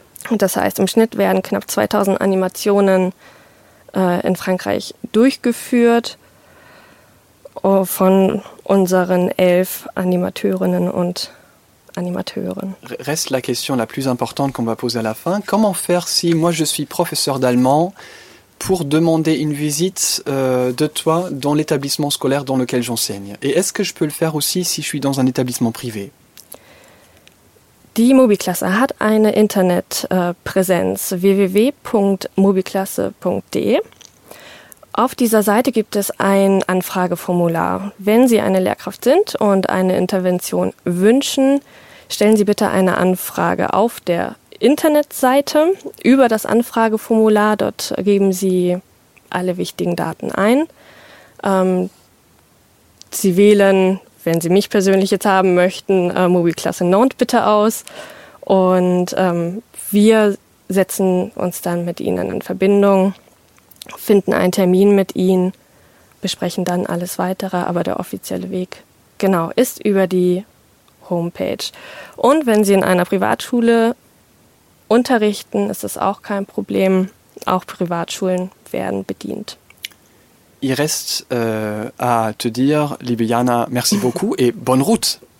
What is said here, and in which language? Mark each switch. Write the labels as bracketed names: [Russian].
[German] Und das heißt, im Schnitt werden knapp 2000 Animationen in Frankreich durchgeführt von unseren 11 Animateurinnen und Animateuren. [French] Reste la question la plus importante qu'on va poser à la fin. Comment faire si moi je suis professeur d'allemand pour demander une visite de toi dans l'établissement scolaire dans lequel j'enseigne? Et est-ce que je peux le faire aussi si je suis dans un établissement privé? [German] Die Mobiklasse hat eine Internetpräsenz, www.mobiklasse.de. Auf dieser Seite gibt es ein Anfrageformular. Wenn Sie eine Lehrkraft sind und eine Intervention wünschen, stellen Sie bitte eine Anfrage auf der Internetseite über das Anfrageformular. Dort geben Sie alle wichtigen Daten ein. Sie wählen, wenn Sie mich persönlich jetzt haben möchten, Mobiklasse Nantes bitte aus. Und wir setzen uns dann mit Ihnen in Verbindung, finden einen Termin mit Ihnen, besprechen dann alles Weitere. Aber der offizielle Weg, genau, ist über die Homepage. Und wenn Sie in einer Privatschule unterrichten, ist das auch kein Problem. Auch Privatschulen werden bedient. [French] Il reste à te dire, [German] liebe Jana, [French] merci beaucoup et bonne route.